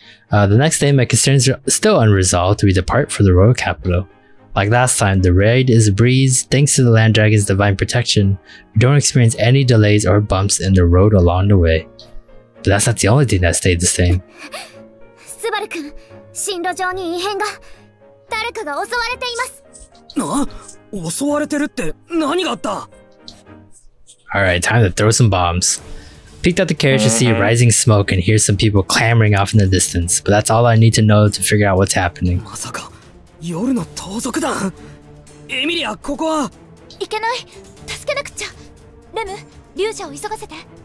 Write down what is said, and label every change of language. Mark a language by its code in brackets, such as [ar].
[en] The next day, my concerns are still unresolved. We depart for the royal capital. Like last time, the raid is a breeze. Thanks to the land dragon's divine protection, we don't experience any delays or bumps in the road along the way. But that's not the only thing that stayed the same. [ja] Subaru-kun, 進路上に異変が。誰かが襲われています。襲われてるって何があった？ [en] Alright, time to throw some bombs. Peeked out the carriage to see a rising smoke and hear some people clamoring off in the distance, but that's all I need to know to figure out what's happening. [ja] まさか。夜の盗賊団。エミリア、ここは。いけない。助けなくちゃ。レム、龍者を急がせて。